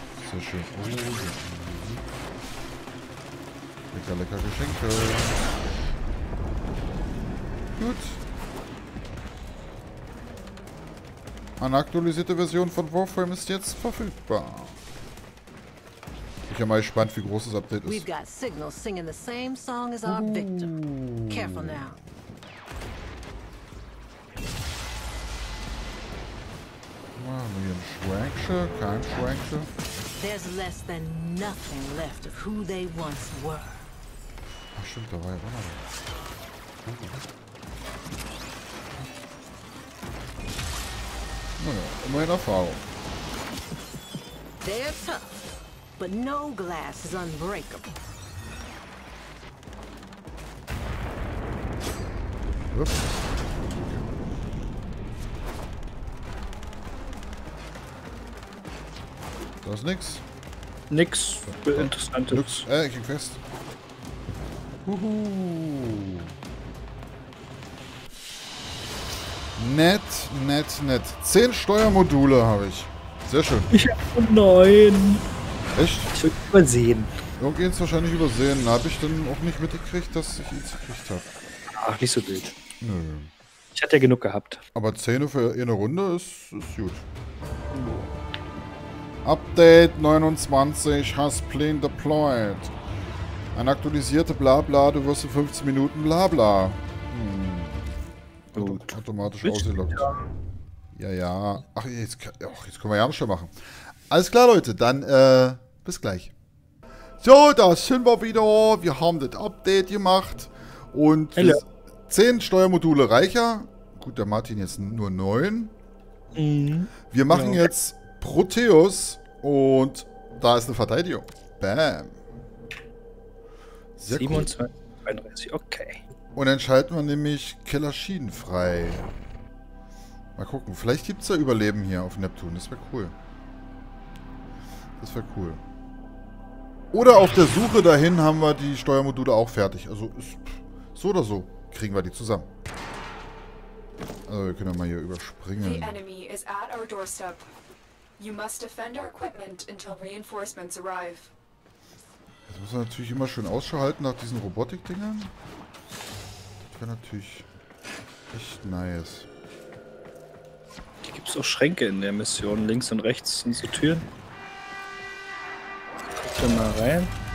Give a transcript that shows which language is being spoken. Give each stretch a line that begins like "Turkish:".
German: Sehr schön. Oh, lecker, lecker Geschenke. Gut. Eine aktualisierte Version von Warframe ist jetzt verfügbar. Ich bin mal gespannt, wie groß das Update ist.
English: We've got signals singing the same song as our victim. Careful now.
German: Mal haben wir einen Schwankscher, kein Schwankscher.
English: There's less than nothing left of who they once were.
German: Ach stimmt, da war ja auch noch was. Naja, immerhin Erfahrung.
English: They're tough. But no glass is unbreakable. Oops.
German: Da ist nix. Nix Interessantes. Nix. Ich ging fest. Huhu. Nett, nett, nett. 10 Steuermodule habe ich. Sehr schön. Ich habe 9. Echt? Ich würde übersehen. Irgendwann wahrscheinlich übersehen. Da habe ich dann auch nicht mitgekriegt, dass ich ihn gekriegt habe. Ach, nicht so wild. Nö. Ich hatte ja genug gehabt. Aber 10 für eine Runde ist gut.
English: Update 29, has plane deployed.
German: Eine aktualisierte Blabla, du wirst in 15 Minuten Blabla. Gut. Automatisch ausgelockt. Ja. Ach, jetzt können wir ja schon machen. Alles klar, Leute, dann bis gleich. So, da sind wir wieder. Wir haben das Update gemacht. Und 10 Steuermodule reicher. Gut, der Martin jetzt nur 9. Mhm. Wir machen jetzt Proteus. Und da ist eine Verteidigung. Bam. Sehr 37, cool. 32, okay. Und dann schalten wir nämlich Killerschienen frei. Mal gucken, vielleicht gibt es ja Überleben hier auf Neptun. Das wäre cool. Das wäre cool. Oder auf der Suche dahin haben wir die Steuermodule auch fertig. Also so oder so kriegen wir die zusammen. Also wir können ja mal hier überspringen.
English: The enemy is at our doorstep. You must defend our equipment until reinforcements arrive.
German: Jetzt muss man natürlich immer schön Ausschau halten nach diesen Robotikdingern. Das wäre natürlich echt nice. Hier gibt es auch Schränke in der Mission. Links und rechts sind so Türen. Schau mal rein.